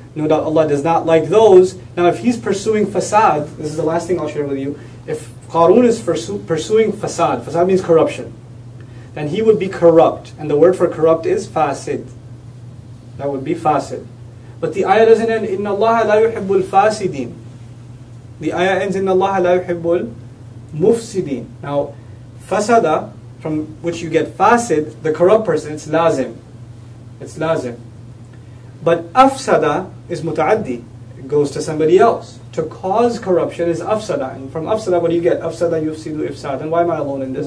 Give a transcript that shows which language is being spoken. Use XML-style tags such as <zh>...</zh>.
<en>No doubt Allah does not like those. Now if he's pursuing fasad, this is the last thing I'll share with you, if Qarun is pursuing fasad, fasad means corruption, then he would be corrupt. And the word for corrupt is fasid. That would be fasid. But the ayah doesn't end,</en> <ar>إِنَّ اللَّهَ لَا يُحِبُّ الْفَاسِدِينَ.</ar> <en>The ayah ends,</en> <ar>إِنَّ اللَّهَ لَا يُحِبُّ الْمُفْسِدِينَ.</ar> <en>Now, fasada, from which you get fasid, the corrupt person, it's lazim. It's lazim. But afsada is mutaaddi. It goes to somebody else. To cause corruption is afsada. And from afsada, what do you get? Afsada yufsidu ifsadan. Why am I alone in this?</en>